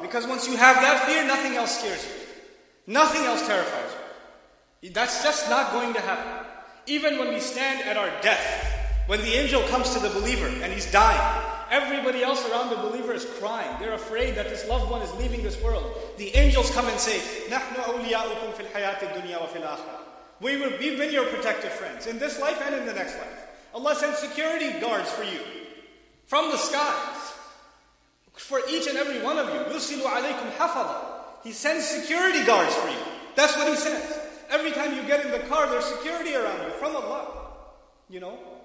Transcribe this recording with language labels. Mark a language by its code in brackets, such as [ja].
[en] Because once you have that fear, nothing else scares you. Nothing else terrifies you. That's just not going to happen. Even when we stand at our death, when the angel comes to the believer and he's dying, everybody else around the believer is crying. They're afraid that this loved one is leaving this world. The angels come and say, [ar] نَحْنُ أَوْلِيَاؤُكُمْ فِي الْحَيَاةِ الدُّنْيَا وَفِي الْآخِرَةِ. [en] We've been your protective friends in this life and in the next life. Allah sends security guards for you from the skies for each and every one of you. [ar] يُرْسِلُ عَلَيْكُمْ حَفَظًا. [en] He sends security guards for you. That's what he says. Every time you get in the car, there's security around you from Allah. You know?